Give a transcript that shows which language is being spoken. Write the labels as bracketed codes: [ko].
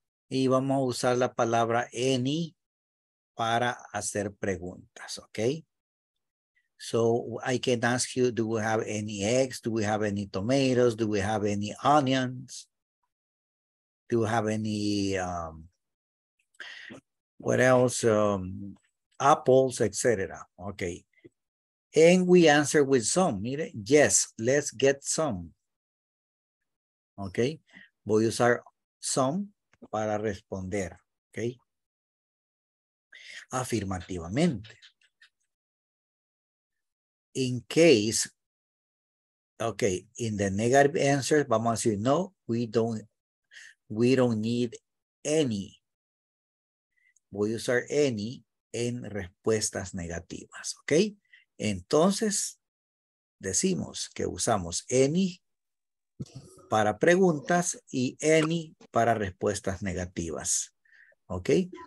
[es] Y vamos a usar la palabra any para hacer preguntas, okay? [en] So I can ask you, do we have any eggs? Do we have any tomatoes? Do we have any onions? Do we have any, what else? Apples, etc. Okay. And we answer with some. Mire, yes, let's get some. Okay. [es] Voy a usar some para responder. Okay. Afirmativamente. [en] In case, okay, in the negative answer, [es] vamos a decir, [en] no, we don't need any. [es] Voy a usar any en respuestas negativas, okay? Entonces, decimos que usamos any para preguntas y any para respuestas negativas, okay?